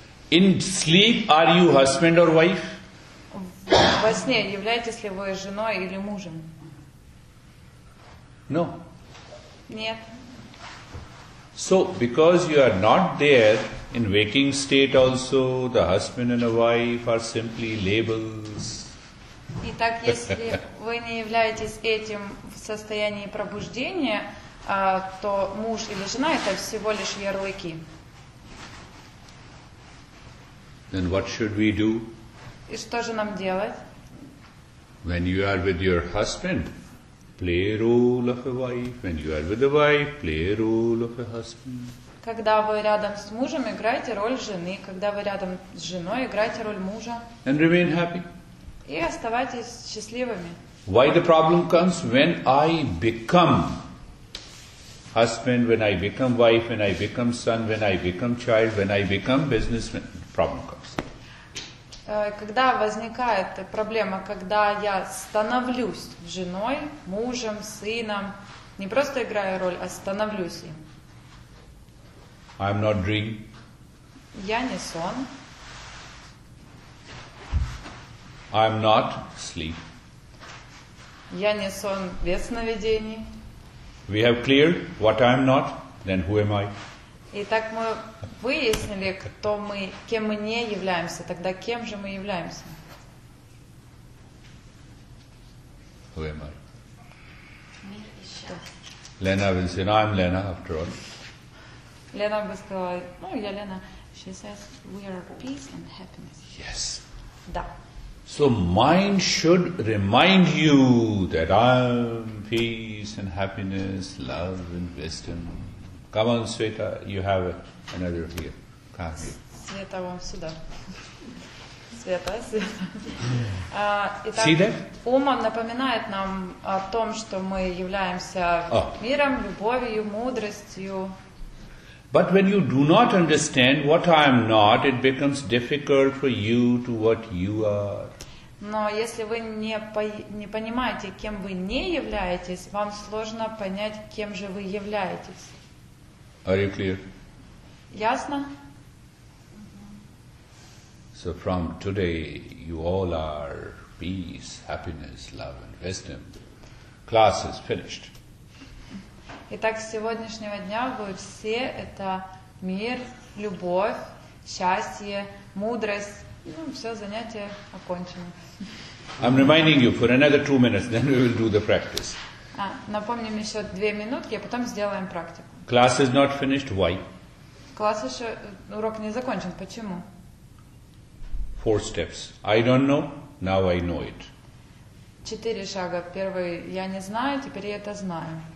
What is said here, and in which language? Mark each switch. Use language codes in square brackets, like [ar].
[en] In sleep, are you husband or wife? [ru] Во сне являетесь ли вы женой или мужем? [en] No. [ru] Нет. [en] So, because you are not there, In waking state also, the husband and a wife are simply labels. [ru] Итак, если вы не являетесь этим в состоянии пробуждения, то муж или жена это всего лишь ярлыки. [en] Then what should we do? [ru] И что же нам делать? [en] When you are with your husband, play role of a wife. When you are with a wife, play role of a husband. [ru] Когда вы рядом с мужем, играйте роль жены. Когда вы рядом с женой, играйте роль мужа. [en] And remain happy. [ru] И оставайтесь счастливыми. [en] Why the problem comes when I become husband, when I become wife, when I become son, when I become child, when I become businessman? Problem comes. [ru] Когда возникает проблема, когда я становлюсь женой, мужем, сыном, не просто играю роль, а становлюсь им. [en] I'm not dream. [ru] Я не сон. [en] I'm not sleep. [ru] Я не сон без сновидений. [en] We have cleared what I'm not, then who am I? [ru] Итак, мы выяснили, кто мы, кем мы не являемся. Тогда кем же мы являемся? [en] Who am I? Me, Lena will say, no, I'm Lena, after all. [ru] Лена бы сказала, ну, я Лена. [en] She says, we are peace and happiness. Yes. [ru] Да. [en] So mind should remind you that I'm peace and happiness, love and wisdom. Come on, Sveta, you have another here. Come here. [ru] Света, вам сюда. Света, Света. Итак, [en] see that? [ru] Ум напоминает нам о том, что мы являемся миром, любовью, мудростью. [en] But when you do not understand what I am not, it becomes difficult for you to what you are. [ru] Но если вы не понимаете, кем вы не являетесь, вам сложно понять, кем же вы являетесь. [en] Are you clear? [ru] Ясно? [en] So from today, you all are peace, happiness, love and wisdom. Class is finished. [ru] Итак, с сегодняшнего дня вы все это мир, любовь, счастье, мудрость. Ну, все, занятие окончено. [en] I'm reminding you for another 2 minutes, then we will do the practice. [ru] Напомним еще 2 минутки, а потом сделаем практику. [en] Class is not finished. Why? [ru] Класс еще, урок не закончен. Почему? [en] 4 steps. I don't know. Now I know it. [ru] 4 шага. Первый, я не знаю, теперь я это знаю.